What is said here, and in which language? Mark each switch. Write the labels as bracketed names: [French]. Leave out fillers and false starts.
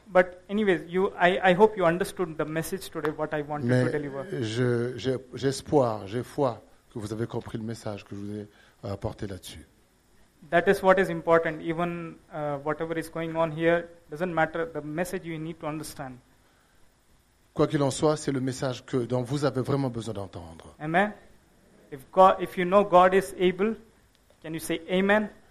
[English] But anyways, I hope you understood the message today. What I wanted [French] Mais [English] to deliver. [French] J'ai foi que vous avez compris le message que je vous ai apporté là-dessus. [English] That is what is important. Even whatever is going on here doesn't matter. The message you need to understand. [French] Quoi qu'il en soit, c'est le message que dont vous avez vraiment besoin d'entendre. [English] Amen. If you know God is able, can you say amen?